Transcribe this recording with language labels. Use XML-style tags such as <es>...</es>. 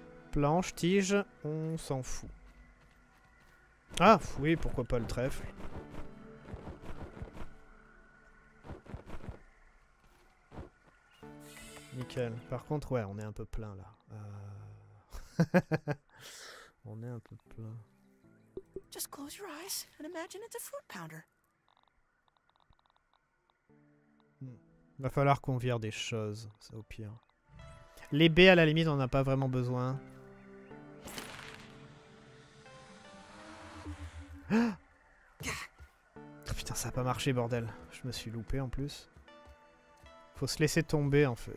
<fr>Planches, tiges, on s'en fout. Ah, oui, pourquoi pas le trèfle. Nickel. Par contre, ouais, on est un peu plein, là. on est un peu plein.</fr> <en>Just close your eyes and imagine it's a fruit pounder.</en> <fr>Va falloir qu'on vire des choses, c'est au pire. Les baies, à la limite, on n'a pas vraiment besoin. Oh putain, ça a pas marché, bordel. Je me suis loupé, en plus. Faut se laisser tomber, en fait.</fr>